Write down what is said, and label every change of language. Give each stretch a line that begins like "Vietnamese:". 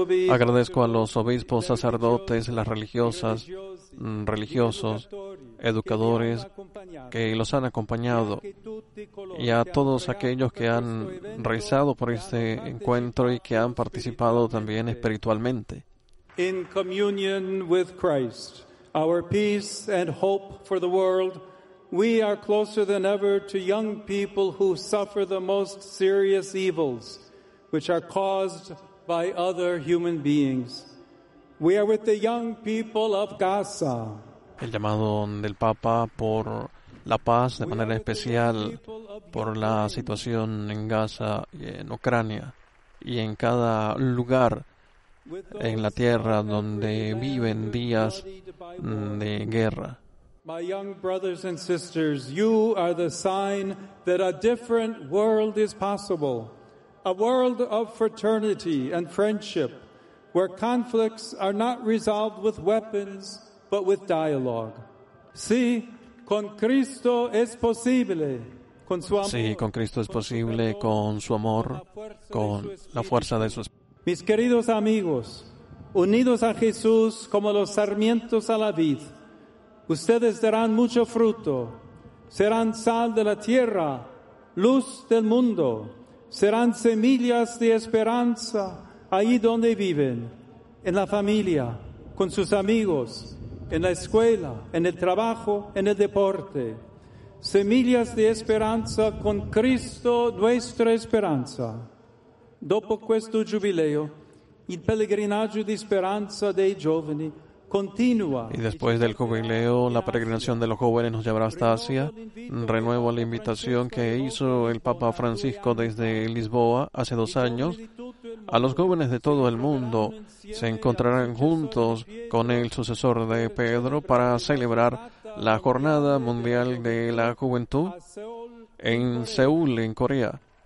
Spanish: Agradezco a los obispos, sacerdotes, las religiosas, religiosos, educadores que los han acompañado, y a todos aquellos que han rezado por este encuentro y que han participado también espiritualmente.
English: In communion with Christ, our peace and hope for the world, we are closer than ever to young people who suffer the most serious evils, which are caused by other human beings. We are with the young people of Gaza.
Spanish: El llamado del Papa por la paz, de manera especial por la situación en Gaza y en Ucrania y en cada lugar en la tierra donde viven días de guerra.
English: My young brothers and sisters, you are the sign that a different world is possible, a world of fraternity and friendship, where conflicts are not resolved with weapons but with dialogue.
Spanish: Sí, con Cristo es posible. Con su amor. Sí, con Cristo es posible, con su amor, con la fuerza de su espíritu. Mis queridos amigos, unidos a Jesús como los sarmientos a la vid, ustedes darán mucho fruto, serán sal de la tierra, luz del mundo, serán semillas de esperanza ahí donde viven, en la familia, con sus amigos, en la escuela, en el trabajo, en el deporte. Semillas de esperanza con Cristo, nuestra esperanza.
Italian: Dopo questo giubileo, il pellegrinaggio di speranza dei giovani continua.
Spanish: Y después del jubileo, la peregrinación de los jóvenes nos llevará hasta Asia. Renuevo la invitación que hizo el Papa Francisco desde Lisboa hace 2 años. A los jóvenes de todo el mundo se encontrarán juntos con el sucesor de Pedro para celebrar la Jornada Mundial de la Juventud en Seúl, en Corea.